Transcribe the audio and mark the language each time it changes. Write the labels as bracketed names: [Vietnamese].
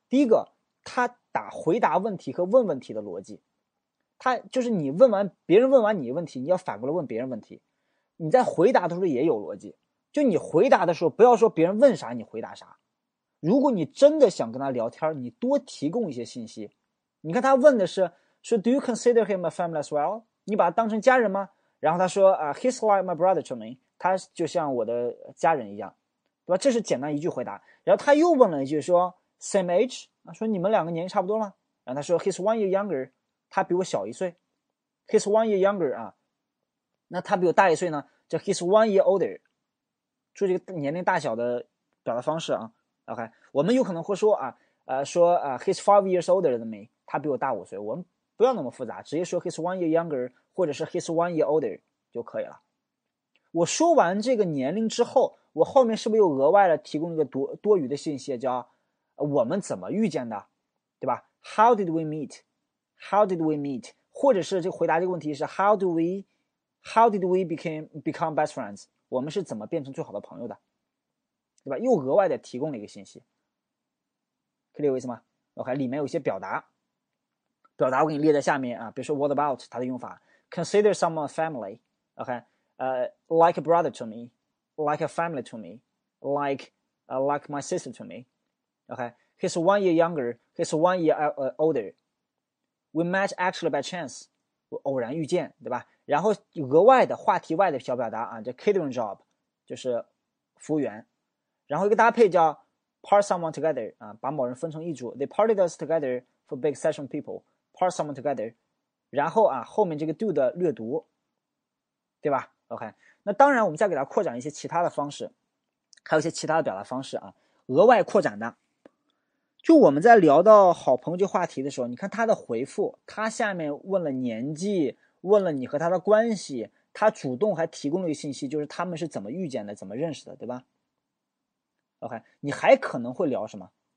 [Chinese] 第一个，他打回答问题和问问题的逻辑，他就是你问完别人问完你问题，你要反过来问别人问题，你在回答的时候也有逻辑。就你回答的时候不要说别人问啥你回答啥，如果你真的想跟他聊天，你多提供一些信息。你看他问的是说 [English] Do you consider him a family as well? [Chinese] 你把他当成家人吗？然后他说、 [English] He's like my brother to me， [Chinese] 他就像我的家人一样，对吧？这是简单一句回答。然后他又问了一句说 [English] Same age， [Chinese] 说你们两个年纪差不多吗？然后他说 [English] He's one year younger， [Chinese] 他比我小一岁。He's one year younger 啊，那他比我大一岁呢，就 [English] He's one year older， [Chinese] 就这个年龄大小的表达方式啊 ，OK， 我们有可能会说啊，说啊 ， [English] he's 5 years older than me， [Chinese] 他比我大五岁。我们不要那么复杂，直接说 [English] he's 1 year younger， [Chinese] 或者是 [English] he's 1 year older [Chinese] 就可以了。我说完这个年龄之后，我后面是不是又额外的提供一个多余的信息，叫我们怎么遇见的，对吧 ？ [English] How did we meet？ How did we meet？ [Chinese] 或者是这回答这个问题是 [English] How did we become best friends？ [Chinese] 我们是怎么变成最好的朋友的，对吧？又额外的提供了一个信息，可以理解意思吗 ？ [English] OK， [Chinese] 里面有一些表达我给你列在下面啊。比如说 [English] "What about" [Chinese] 它的用法 [English] ，"Consider someone family"，OK，、okay? "Like a brother to me"，"Like a family to me"，"Like like my sister to me"，OK、okay? "He's 1 year younger"，"He's 1 year older"，"We met actually by chance"， [Chinese] 我偶然遇见，对吧然后额外的话题外的小表达啊，叫 catering job，就是服务员。然后一个搭配叫 [English] part someone together [Chinese] 啊，把某人分成一组。 [English] They parted us together for big session people. Part someone together。 [Chinese] 然后啊，后面这个 do 的略读，对吧？OK。那当然，我们再给它扩展一些其他的方式，还有一些其他的表达方式啊，额外扩展的。就我们在聊到好朋友这话题的时候，你看他的回复，他下面问了年纪，问了你和他的关系，他主动还提供了一个信息，就是他们是怎么遇见的，怎么认识的，对吧？OK，你还可能会聊什么？